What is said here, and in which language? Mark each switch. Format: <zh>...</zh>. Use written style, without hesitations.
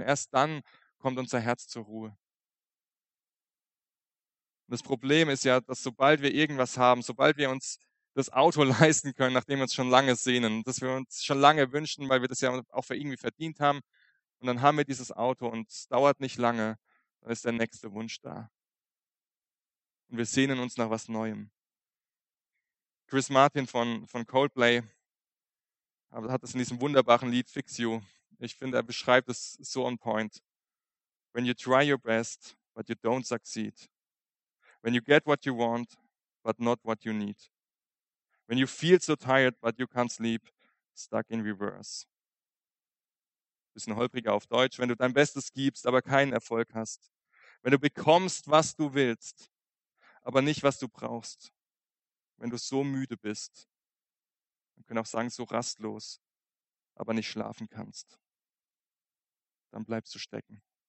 <de>Erst dann kommt unser Herz zur Ruhe. Und das Problem ist ja, dass sobald wir irgendwas haben, sobald wir uns das Auto leisten können, nachdem wir uns schon lange sehnen, dass wir uns schon lange wünschen, weil wir das ja auch für irgendwie verdient haben, und dann haben wir dieses Auto und es dauert nicht lange, dann ist der nächste Wunsch da. Und wir sehnen uns nach was Neuem. Chris Martin von Coldplay hat es in diesem wunderbaren Lied Fix You. Ich finde, er beschreibt es so</de> <en>on point. When you try your best, but you don't succeed. When you get what you want, but not what you need. When you feel so tired, but you can't sleep, stuck in reverse.</en> <de>Bisschen holpriger auf Deutsch. Wenn du dein Bestes gibst, aber keinen Erfolg hast. Wenn du bekommst, was du willst, aber nicht, was du brauchst. Wenn du so müde bist, man kann auch sagen, so rastlos, aber nicht schlafen kannst, dann bleibst du stecken.</de>